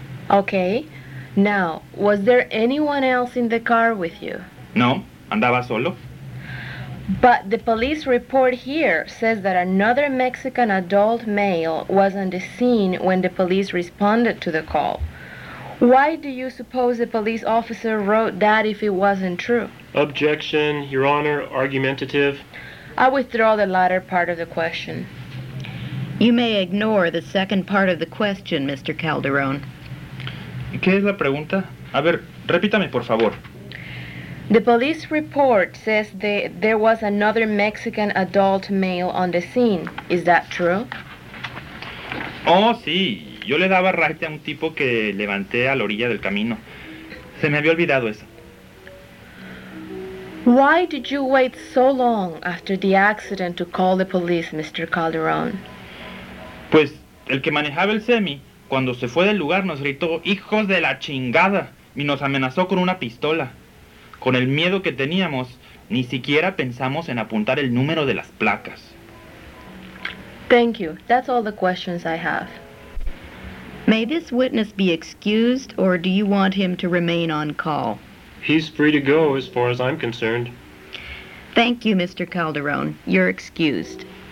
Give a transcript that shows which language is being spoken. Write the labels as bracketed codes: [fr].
[en] Okay. Now, was there anyone else in the car with you? [es] No, andaba solo. [en] But the police report here says that another Mexican adult male was on the scene when the police responded to the call. Why do you suppose the police officer wrote that if it wasn't true? Objection, Your Honor, argumentative. I withdraw the latter part of the question. You may ignore the second part of the question, Mr. Calderon. [es] ¿Qué es la pregunta? A ver, repítame, por favor. [en] The police report says that there was another Mexican adult male on the scene. Is that true? [es] Oh, sí. Yo le daba raite a un tipo que levanté a la orilla del camino. Se me había olvidado eso. [en] Why did you wait so long after the accident to call the police, Mr. Calderon? [es] Pues, el que manejaba el semi, cuando se fue del lugar, nos gritó, ¡hijos de la chingada! Y nos amenazó con una pistola. Con el miedo que teníamos, ni siquiera pensamos en apuntar el número de las placas. [en] Thank you. That's all the questions I have. May this witness be excused, or do you want him to remain on call? He's free to go, as far as I'm concerned. Thank you, Mr. Calderon. You're excused.